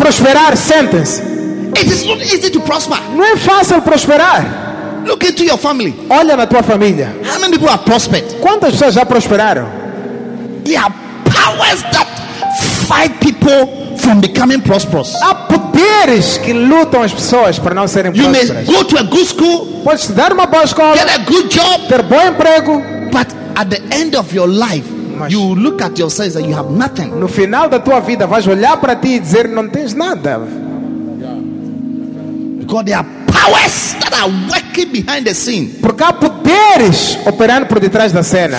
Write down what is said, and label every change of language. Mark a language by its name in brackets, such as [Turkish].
[Portuguese] Prosperar, sentence. [English] It is not easy to prosper. [Portuguese] Não é fácil prosperar. [English] Look into your family. [Portuguese] Olha na tua família. [English] How many people have prospered? [Portuguese] Quantas pessoas já prosperaram? [English] There are powers that fight people from becoming prosperous. [Portuguese] Há poderes que lutam as pessoas para não serem [English] you [Portuguese] prósperas. [English] You may go to a good school. [Portuguese] Pode estudar uma boa escola. [English] Get a good job. [Portuguese] Ter bom emprego. [English] But at the end of your life, you look at yourself and you have nothing. [Portuguese] No final da tua vida, vais olhar para ti e dizer não tens nada. [English] God, there are powers that are working behind the scene. [Portuguese] Porque há poderes operando por detrás da cena.